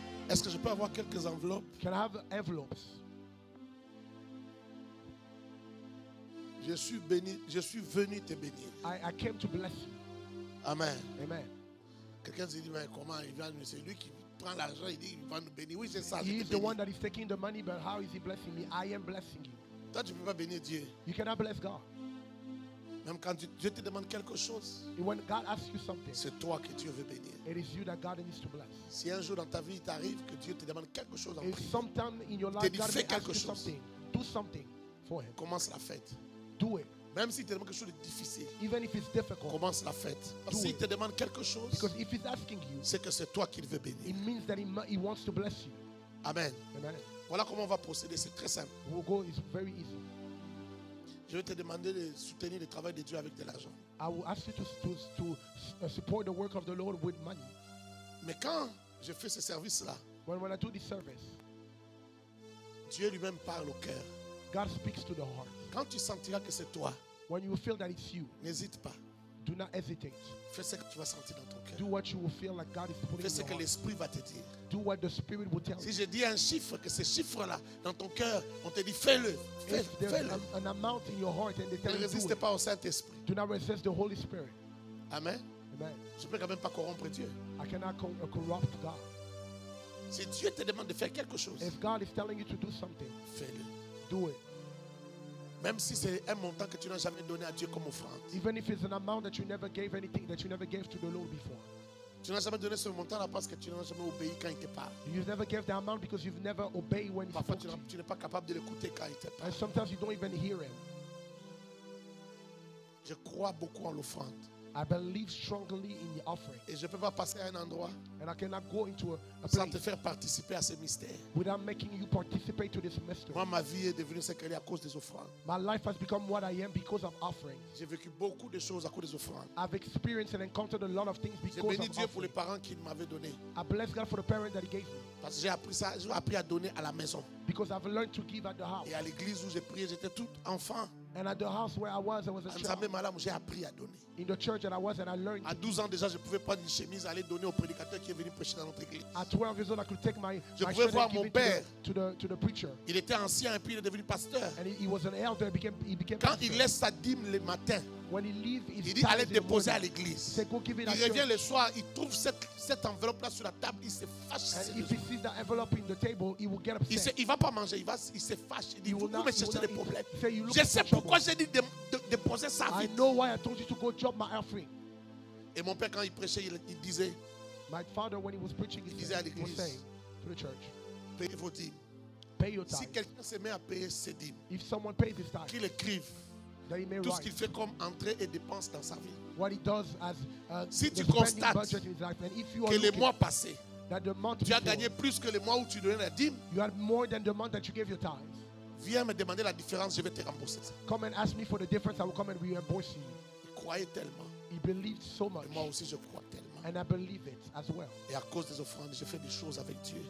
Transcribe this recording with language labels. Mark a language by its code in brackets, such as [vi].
[fr] Est-ce que je peux avoir quelques enveloppes? [en] Can I have envelopes? [fr] Je suis béni. Je suis venu te bénir. [en] I came to bless you. Amen. Amen. [fr] Quelqu'un se dit mais comment il vient? C'est lui qui prend l'argent. Il dit il va nous bénir. Oui c'est ça. [en] He is the one that is taking the money, but how is he blessing me? I am blessing you. [fr] Toi tu peux pas bénir Dieu. [en] You cannot bless God. [fr] Même quand Dieu te demande quelque chose, [en] when God asks you something, [fr] c'est toi que Dieu veut bénir. [en] It is you that God needs to bless. [fr] Si un jour dans ta vie il t'arrive que Dieu te demande quelque chose en prière, [en] if sometime in your life God asks you something, do something for him. [fr] Commence la fête. [en] Do it. [fr] Même si il te demande quelque chose de difficile, [en] even if it's difficult, [fr] commence la fête. Parce si il te demande quelque chose, [en] because if he's asking you, [fr] c'est que c'est toi qu'il veut bénir. [en] It means that he wants to bless you. Amen. Amen. [fr] Voilà comment on va procéder. C'est très simple. [en] We'll go. It's very easy. [fr] Je vais te demander de soutenir le travail de Dieu avec de l'argent. [en] I will ask you to support the work of the Lord with money. [fr] Mais quand je fais ce service-là, [en] when I do this service, [fr] Dieu lui-même parle au cœur. [en] God speaks to the heart. [fr] Quand tu sentiras que c'est toi, [en] when you feel that it's you, [fr] n'hésite pas. [en] Do not hesitate. [fr] Fais ce que tu vas sentir dans ton cœur. [en] Do what you will feel like God is putting in your [fr] heart. Fais ce que l'Esprit va te dire. [en] Do what the Spirit will tell [fr] you. Si je dis un chiffre, que ces chiffres-là dans ton cœur, on te dit fais-le. [en] An amount in your heart and they tell [fr] ne résiste [en] you [fr] pas au Saint-Esprit. [en] Do not resist the Holy Spirit. Amen. Amen. [fr] Je peux quand même pas corrompre Dieu. [en] I cannot corrupt God. [fr] Si Dieu te demande de faire quelque chose, [en] if God is telling you to do something, [fr] fais-le. [en] Do it. [fr] Même si c'est un montant que tu n'as jamais donné à Dieu comme offrande. [en] Even if it's an amount that you never gave anything, that you never gave to the Lord before. [fr] Tu n'as jamais donné ce montant-là parce que tu n'as jamais obéi quand il te parle. [en] You've never gave the amount because you've never obeyed when he spoke to you. [fr] Parfois, tu n'es pas capable de l'écouter quand il te parle. [en] And sometimes you don't even hear him. [fr] Je crois beaucoup en l'offrande. [en] I believe strongly in the offering. [fr] Et je ne peux pas passer à un endroit. [en] And I cannot go into a [fr] place. Sans te faire participer à ce mystère. [en] Without making you participate to this mystery. [fr] Moi, ma vie est devenue ce qu'elle est à cause des offrandes. [en] My life has become what I am because of offerings. [fr] J'ai vécu beaucoup de choses à cause des offrandes. [en] I've experienced and encountered a lot of things because of offerings. [fr] J'ai béni Dieu pour les parents qu'il m'avait donné. [en] I bless God for the parents that he gave me. [fr] Parce que j'ai appris ça, j'ai appris à donner à la maison. [en] Because I've learned to give at the house. [fr] Et à l'église où j'ai prié, j'étais tout enfant. [en] And at the house where I was a child. [fr] Ensemble, madame, j'ai appris à donner. [en] In the church that I was and I learned. [fr] À 12 ans déjà, je pouvais prendre une chemise aller donner au prédicateur qui est venu prêcher dans notre église. [en] At 12 years old, I could take my [fr] je pouvais voir mon père. [en] To the preacher. [fr] Il était ancien et puis il est devenu pasteur. [en] And he was an elder, he became [fr] quand [en] pastor. [fr] Il laisse sa dîme le matin. [en] When he leave, [fr] il dit allez déposer à l'église. [en] Give it [fr] il revient le soir, il trouve cette enveloppe là sur la table, il se fâche. [en] And if he sees that envelope in the table, he will get upset. [fr] Il va pas manger, il se fâche. Il dit vous me cherchez des problèmes. Je sais pourquoi j'ai dit de déposer sa vie. [en] I know why I told you to go drop my offering. [fr] Et mon père quand il prêchait, il disait. [en] My father when he was preaching, [fr] il disait à l'église, [en] say, to the church, [fr] payez vos dîmes. [en] Pay your tithe. [fr] Si quelqu'un se met à payer ses dîmes, [en] if someone pays his tithe, [fr] qu'il écrive. Tout ce qu'il fait comme entrée et dépense dans sa vie. [en] What he does as, [fr] si tu constates que les mois passés, tu as gagné plus que les mois où tu donnais la dîme, [en] you had more than the month that you gave your tithe. [fr] Viens me demander la différence, je vais te rembourser. [en] Come and ask me for the difference, I will come and reimburse you. [fr] Il croyait tellement. [en] He believed so much. [fr] Et moi aussi je crois tellement. [en] And I believe it as well. [fr] Et à cause des offrandes, j'ai fait des choses avec Dieu.